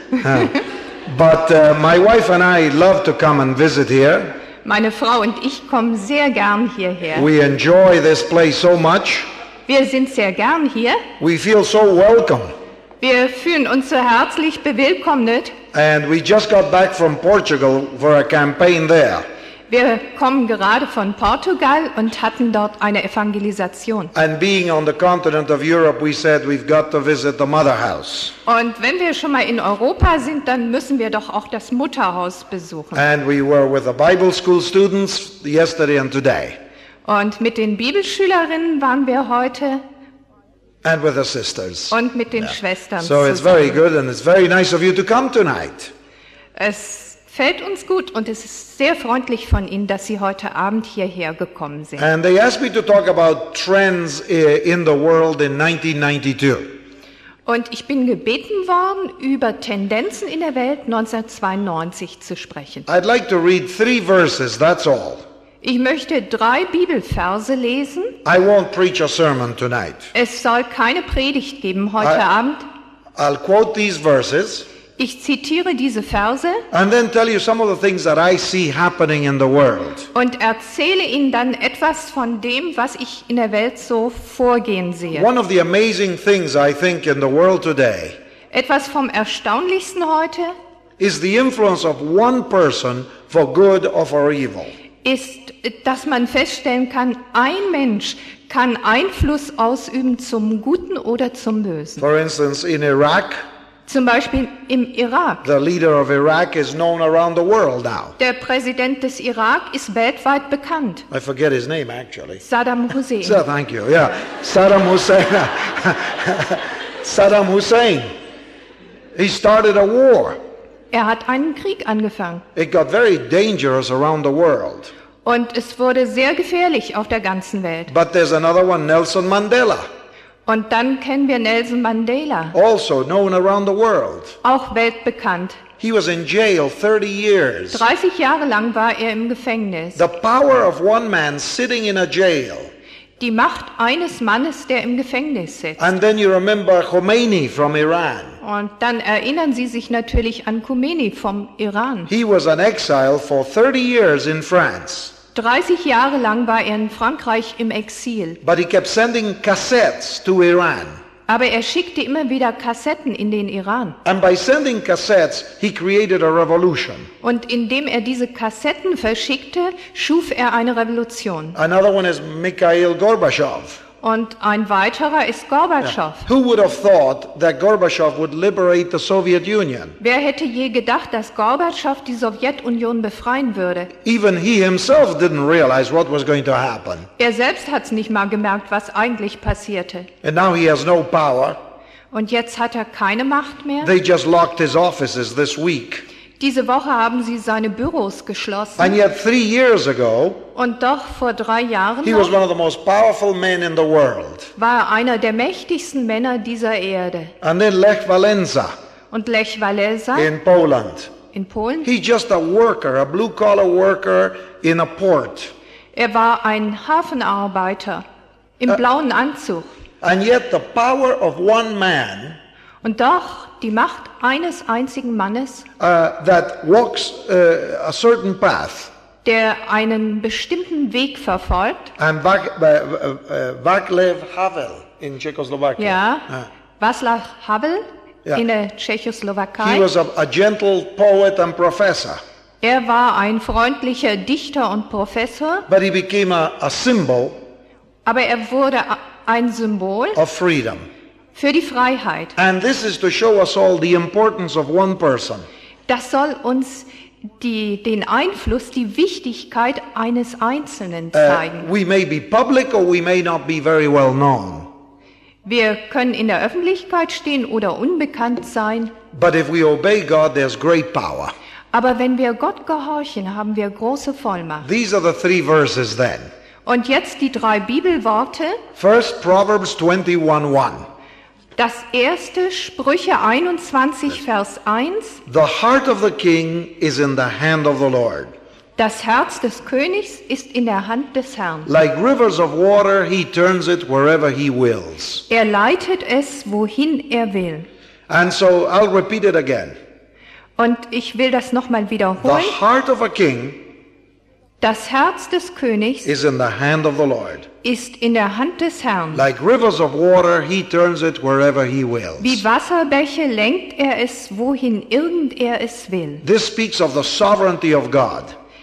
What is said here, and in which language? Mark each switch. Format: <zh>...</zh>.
<en>But my wife and I love to come and visit here.</en> <de>Meine Frau und ich kommen sehr gern hierher.</de> <en>We enjoy this place so much.</en> <de>Wir sind sehr gern hier.</de> <en>We feel so welcome.</en> <de>Wir fühlen uns so herzlich bewillkommnet.</de> <en>And we just got back from Portugal for a campaign there.</en> <de>Wir kommen gerade von Portugal und hatten dort eine Evangelisation.</de> <en>And being on the continent of Europe, we said we've got to visit the mother house.</en> <de>Und wenn wir schon mal in Europa sind, dann müssen wir doch auch das Mutterhaus besuchen.</de> <en>And we were with the Bible school students yesterday and today.</en> <de>Und mit den Bibelschülerinnen waren wir heute.</de> <en>And with the sisters.</en> <de>Und mit den Schwestern.</de> <en>So it's very good and it's very nice of you to come tonight.</en> <de>Es fällt uns gut und es ist sehr freundlich von Ihnen, dass Sie heute Abend hierher gekommen sind.</de> <en>And they asked me to talk about trends in the world in 1992.</en> <de>Und ich bin gebeten worden, über Tendenzen in der Welt 1992 zu sprechen.</de> <en>I'd like to read three verses, that's all.</en> <de>Ich möchte drei Bibelverse lesen.</de> <en>I won't preach a sermon tonight.</en> <de>Es soll keine Predigt geben heute Abend.</de> <en>I'll quote these verses.</en> <de>Ich zitiere diese Verse.</de> <en>And then tell you some of the things that I see happening in the world.</en> <de>Und erzähle Ihnen dann etwas von dem, was ich in der Welt so vorgehen sehe.</de> <en>One of the amazing things I think in the world today.</en> <de>Etwas vom Erstaunlichsten heute.</de> <en>Is the influence of one person for good or for evil.</en> <de>Ist, dass man feststellen kann, ein Mensch kann Einfluss ausüben zum Guten oder zum Bösen.</de> <en>For instance, in Iraq.</en> <de>Zum Beispiel im Irak.</de> <en>The leader of Iraq is known around the world now.</en> <de>Der Präsident des Irak ist weltweit bekannt.</de> <en>I forget his name actually.</en> <de>Saddam Hussein.</de> <en>So, thank you. Yeah. Saddam Hussein. He started a war.</en> <de>Er hat einen Krieg angefangen.</de> <en>It got very dangerous around the world.</en> <de>Und es wurde sehr gefährlich auf der ganzen Welt.</de> <en>But there's another one, Nelson Mandela.</en> <de>Und dann kennen wir Nelson Mandela.</de> <en>Also known around the world.</en> <de>Auch weltbekannt.</de> <en>He was in jail 30 years.</en> <de>30 Jahre lang war er im Gefängnis.</de> <en>The power of one man sitting in a jail.</en> <de>Die Macht eines Mannes, der im Gefängnis sitzt.</de> <en>And then you remember Khomeini from Iran.</en> <de>Und dann erinnern Sie sich natürlich an Khomeini vom Iran.</de> <en>He was an exile for 30 years in France.</en> <de>30 Jahre lang war er in Frankreich im Exil.</de> <en>But he kept sending cassettes to Iran.</en> <de>Aber er schickte immer wieder Kassetten in den Iran.</de> <en>And by sending cassettes, he created a revolution.</en> <de>Und indem er diese Kassetten verschickte, schuf er eine Revolution.</de> <en>Another one is Mikhail Gorbachev.</en> <de>Und ein weiterer ist Gorbatschow.</de> <en>Who would have thought that Gorbachev would liberate the Soviet Union?</en> <de>Wer hätte je gedacht, dass Gorbatschow die Sowjetunion befreien würde?</de> <en>Even he himself didn't realize what was going to happen.</en> <de>Er selbst hat's nicht mal gemerkt, was eigentlich passierte.</de> <en>And now he has no power.</en> <de>Und jetzt hat er keine Macht mehr.</de> <en>They just locked his offices this week.</en> <de>Diese Woche haben sie seine Büros geschlossen.</de> <en>And yet 3 years ago,</en> <de>und doch vor 3 Jahren</de> <en>he was one of the most powerful men in the world.</en> <de>War er einer der mächtigsten Männer dieser Erde.</de> <en>And then Lech Walesa.</en> <de>Und Lech Walesa</de> <en>in Poland.</en> <de>In Polen.</de> <en>He's just a worker, a blue-collar worker in a port.</en> <de>Er war ein Hafenarbeiter im blauen Anzug.</de> <en>And yet the power of one man.</en> <de>Und doch die Macht eines einzigen Mannes.</de> <en>That walks a certain path.</en> <de>Der einen bestimmten Weg verfolgt.</de> <en>And Václav Havel in Czechoslovakia.</en> <de>Ja, Václav Havel. Yeah. In der Tschechoslowakei.</de> <en>He was a gentle poet and professor.</en> <de>Er war ein freundlicher Dichter und Professor.</de> <en>But he became a symbol.</en> <de>Aber er wurde ein Symbol.</de> <en>Of freedom.</en> <de>Für die Freiheit.</de> <en>And this is to show us all the importance of one person.</en> <de>Das soll uns den Einfluss, die Wichtigkeit eines Einzelnen zeigen.</de> <en>We may be public or we may not be very well known.</en> <de>Wir können in der Öffentlichkeit stehen oder unbekannt sein.</de> <en>But if we obey God, there's great power.</en> <de>Aber wenn wir Gott gehorchen, haben wir große Vollmacht.</de> <en>These are the 3 verses then.</en> <de>Und jetzt die 3 Bibelworte.</de> <en>First, Proverbs 21:1.</en> <de>Das erste, Sprüche 21, Vers 1.</de> <en>The heart of the king is in the hand of the Lord.</en> <de>Das Herz des Königs ist in der Hand des Herrn.</de> <en>Like rivers of water, he turns it wherever he wills.</en> <de>Er leitet es, wohin er will.</de> <en>And so I'll repeat it again.</en> <de>Und ich will das nochmal wiederholen.</de> <en>The heart of a king,</en> <de>das Herz des Königs,</de> <en>is in the hand of the Lord.</en> <de>Ist in der Hand des Herrn.</de> <en>Like rivers of water, he turns it wherever he wills.</en> <de>Wie Wasserbäche lenkt er es, wohin irgend er es will.</de> <en>This speaks of the sovereignty of God.</en>